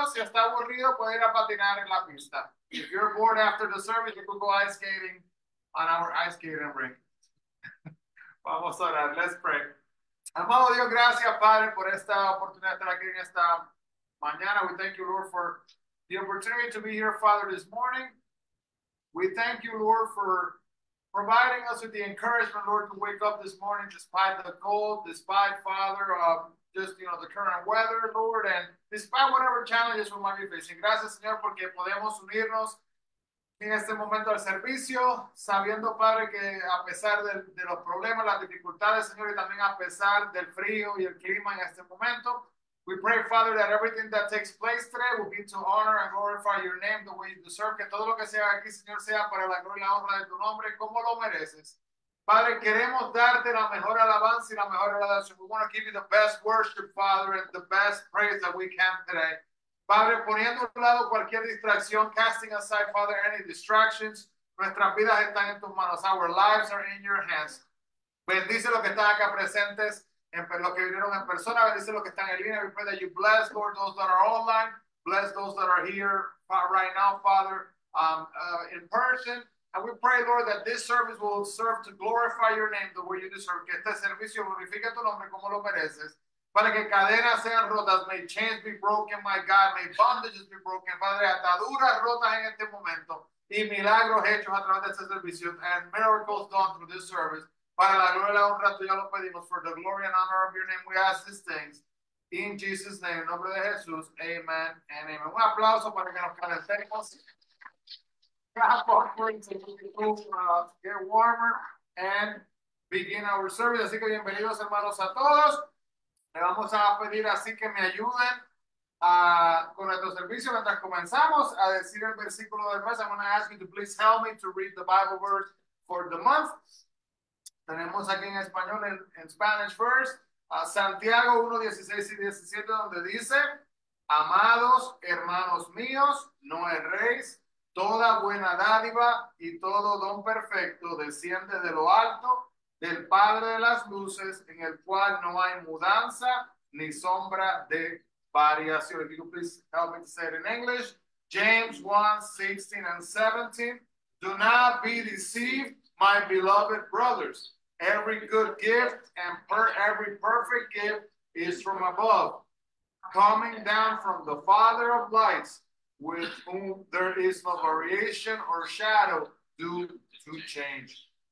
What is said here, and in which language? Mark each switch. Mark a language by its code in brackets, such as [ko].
[en] If you're bored after the service, you can go ice skating on our ice skating rink. [es] Vamos a orar. [en] Let's pray. [es] Amado Dios, gracias, Padre, por esta oportunidad de estar aquí en esta mañana. [en] We thank you, Lord, for the opportunity to be here, Father, this morning. We thank you, Lord, for providing us with the encouragement, Lord, to wake up this morning despite the cold, despite, Father, just, you know, the current weather, Lord, and despite whatever challenges we might be facing. [es] Gracias, Señor, porque podemos unirnos en este momento al servicio, sabiendo, Padre, que a pesar de los problemas, las dificultades, Señor, y también a pesar del frío y el clima en este momento, [en] we pray, Father, that everything that takes place today will be to honor and glorify your name the way you deserve. [es] Que todo lo que sea aquí, Señor, sea para la gloria y la honra de tu nombre, como lo mereces. Padre, queremos darte la mejor alabanza y la mejor adoración. [en] We want to give you the best worship, Father, and the best praise that we can today. [es] Padre, poniendo a un lado cualquier distracción, [en] casting aside, Father, any distractions, [es] nuestras vidas están en tus manos. [en] Our lives are in your hands. [es] Bendice lo que están acá presentes. Los que vinieron en persona, bendice los que están en línea. [en] We pray that you bless, Lord, those that are online. Bless those that are here right now, Father, in person. And we pray, Lord, that this service will serve to glorify your name the way you deserve. [es] Que este servicio glorifique tu nombre como lo mereces. Para que cadenas sean rotas. [en] May chains be broken, my God. May bondages be broken. [es] Padre, ataduras rotas en este momento. Y milagros hechos a través de este servicio. [en] And miracles done through this service. [es] Para la gloria y la honra tuya lo pedimos. [en] For the glory and honor of your name, we ask these things. In Jesus' name, [es] en nombre de Jesús, amen and amen. Un aplauso para que nos calentemos. [en] Get warmer and begin our service. [es] Así que bienvenidos, hermanos, a todos. Le vamos a pedir así que me ayuden con nuestro servicio mientras comenzamos a decir el versículo del mes. [en] I'm going to ask you to please help me to read the Bible verse for the month. [es] Tenemos aquí en español, en [en] Spanish first, [es] Santiago 1, 16 y 17, donde dice, amados hermanos míos, no erréis, toda buena dádiva y todo don perfecto desciende de lo alto, del Padre de las luces, en el cual no hay mudanza ni sombra de variación. [en] If you please help me to say it in English, James 1, 16 and 17, do not be deceived, my beloved brothers. Every good gift and every perfect gift is from above, coming down from the Father of lights, with whom there is no variation or shadow due to change.